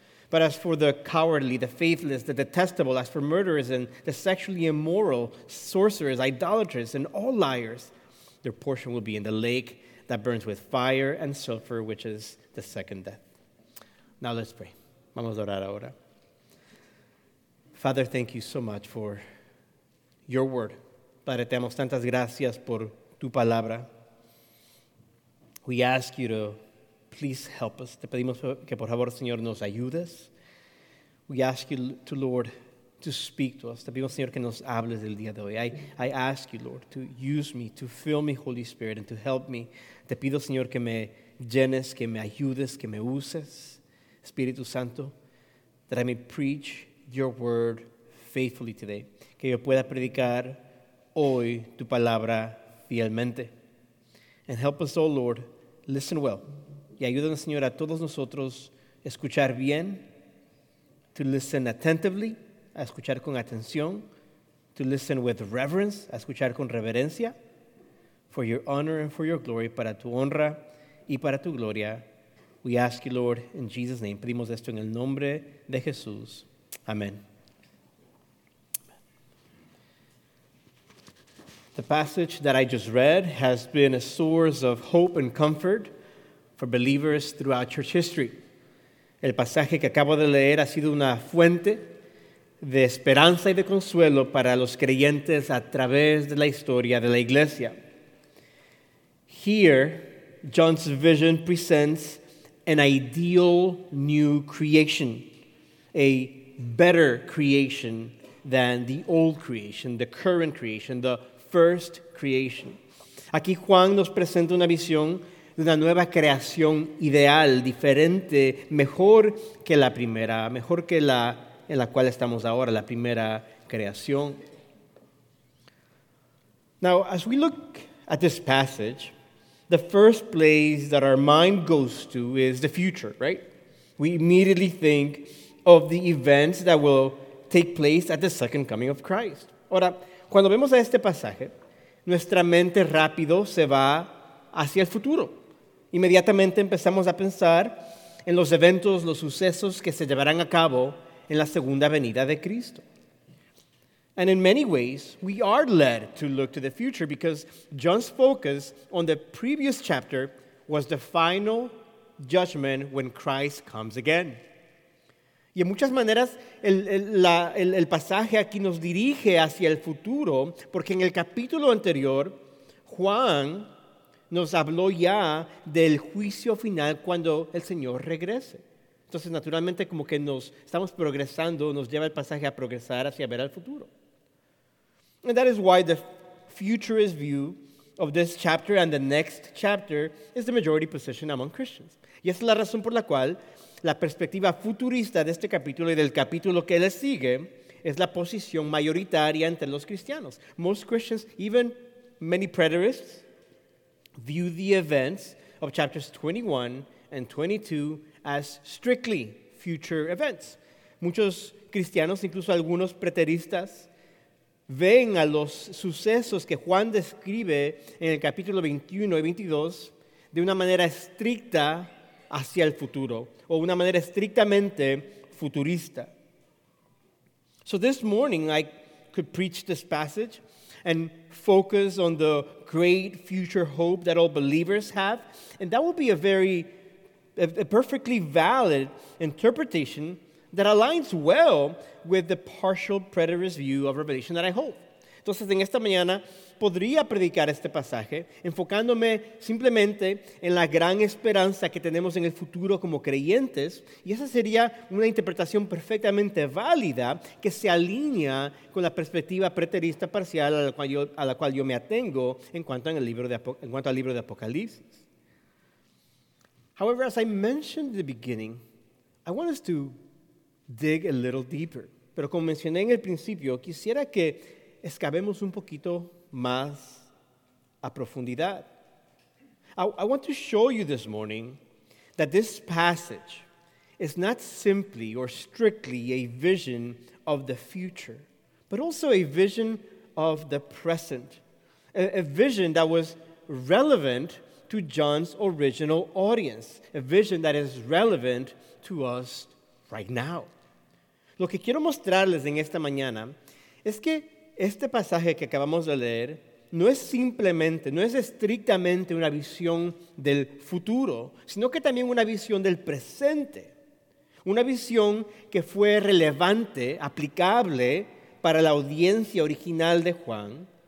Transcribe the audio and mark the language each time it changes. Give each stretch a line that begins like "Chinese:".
English: But as for the cowardly, the faithless, the detestable, as for murderers and the sexually immoral, sorcerers, idolaters, and all liars, their portion will be in the lake that burns with fire and sulfur, which is the second death.'" Now let's pray.
Spanish: Vamos a orar ahora.
English: Father, thank you so much for your word.
Spanish: Padre, te damos tantas gracias por tu palabra.
English: We ask you to please help us.
Spanish: Te pedimos que por favor, Señor, nos ayudes.
English: We ask you, Lord, to speak to us.
Spanish: Te pedimos, Señor, que nos hables el día de hoy.
English: I ask you, Lord, to use me, to fill me, Holy Spirit, and to help me.
Spanish: Te pido, Señor, que me llenes, que me ayudes, que me uses, Espíritu Santo,
English: that I may preach your word faithfully today.
Spanish: Que yo pueda predicar hoy tu palabra fielmente.
English: And help us, oh Lord, listen well.
Spanish: Y ayúdanos, Señor, a todos nosotros a escuchar bien,
English: to listen attentively,
Spanish: a escuchar con atención,
English: to listen with reverence,
Spanish: a escuchar con reverencia,
English: for your honor and for your glory,
Spanish: para tu honra y para tu gloria.
English: We ask you, Lord, in Jesus' name.
Spanish: Pedimos esto en el nombre de Jesús. Amén.
English: The passage that I just read has been a source of hope and comfort for believers throughout church history.
Spanish: El pasaje que acabo de leer ha sido una fuente de esperanza y de consuelo para los creyentes a través de la historia de la iglesia.
English: Here, John's vision presents an ideal new creation, a better creation than the old creation, the current creation, the first creation.
Spanish: Aquí Juan nos presenta una visión de una nueva creación ideal, diferente, mejor que la primera, mejor que la en la cual estamos ahora, la primera creación.
English: Now, as we look at this passage, the first place that our mind goes to is the future, right? we immediately think of the events that will take place at the second coming of Christ.
Spanish: Ahora, cuando vemos a este pasaje, nuestra mente rápido se va hacia el futuro. Inmediatamente empezamos a pensar en los eventos, los sucesos que se llevarán a cabo en la segunda venida de Cristo.
English: And in many ways, we are led to look to the future because John's focus on the previous chapter was the final judgment when Christ comes again.
Spanish: Y en muchas maneras, el pasaje aquí nos dirige hacia el futuro, porque en el capítulo anterior, Juan nos habló ya del juicio final cuando el Señor regrese. Entonces, naturalmente, como que nos estamos progresando, nos lleva el pasaje a progresar hacia ver al futuro.
English: And that is why the futurist view of this chapter and the next chapter is the majority position among Christians.
Spanish: Y esa es la razón por la cual la perspectiva futurista de este capítulo y del capítulo que le sigue es la posición mayoritaria entre los cristianos.
English: Most Christians, even many preterists, view the events of chapters 21 and 22 as strictly future events.
Spanish: Muchos cristianos, incluso algunos preteristas, ven a los sucesos que Juan describe en el capítulo 21 y 22 de una manera estricta hacia el futuro, o una manera estrictamente futurista.
English: So this morning I could preach this passage and focus on the great future hope that all believers have, and that would be a perfectly valid interpretation that aligns well with the partial preterist view of Revelation that I hold.
Spanish: Entonces, en esta mañana podría predicar este pasaje enfocándome simplemente en la gran esperanza que tenemos en el futuro como creyentes, y esa sería una interpretación perfectamente válida que se alinea con la perspectiva preterista parcial a la cual yo me atengo en cuanto al libro de Apocalipsis.
English: However, as I mentioned in the beginning, I want us to dig a little deeper.
Spanish: Pero como mencioné en el principio, quisiera que excavemos un poquito más a profundidad.
English: I want to show you this morning that this passage is not simply or strictly a vision of the future, but also a vision of the present, a vision that was relevant to John's original audience, a vision that is relevant to us right now.
Spanish: Lo que quiero mostrarles en esta mañana es que este pasaje que acabamos de leer no es estrictamente una visión del futuro, sino que también una visión del presente. Una visión que fue relevante, aplicable para la audiencia original de Juan.